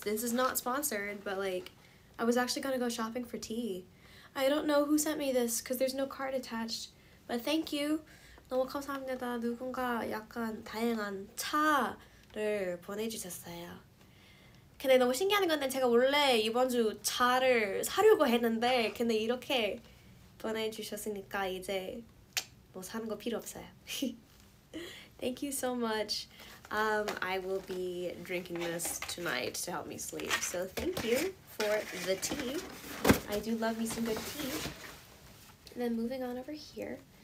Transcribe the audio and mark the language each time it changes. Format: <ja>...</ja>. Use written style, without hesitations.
<en>This is not sponsored, but like, I was actually gonna go shopping for tea. I don't know who sent me this because there's no card attached, but thank you.</en> <ko>너무 감사합니다. 누군가 약간 다양한 차를 보내주셨어요. 근데 너무 신기한 건데 제가 원래 이번 주 차를 사려고 했는데 근데 이렇게 보내주셨으니까 이제 뭐 사는 거 필요 없어요.</ko> <en>Thank you so much. I will be drinking this tonight to help me sleep. So thank you for the tea. I do love me some good tea. And then moving on over here.</en>